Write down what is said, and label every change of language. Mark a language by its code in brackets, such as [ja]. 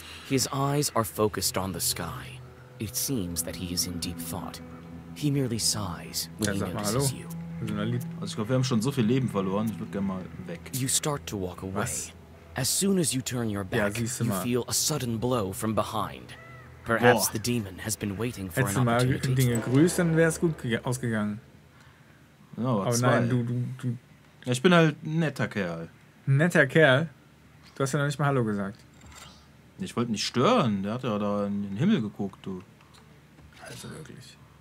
[en] His eyes are focused on the sky. It seems that he is in deep thought. He merely sighs when he notices you. [de] Also ich glaube, wir haben schon so viel Leben verloren. Ich würde gerne mal weg. [en] You start to walk away. As soon as you turn your back, you feel a sudden blow from behind. Perhaps the demon has been waiting for an opportunity. [de] Hättest du mal Dinge grüßt, dann wäre es gut ausgegangen. No, aber nein, du. Ja, ich bin halt ein netter Kerl. Netter Kerl? Du hast ja noch nicht mal Hallo gesagt. Ich wollte nicht stören, der hat ja da in den Himmel geguckt, du. Also wirklich.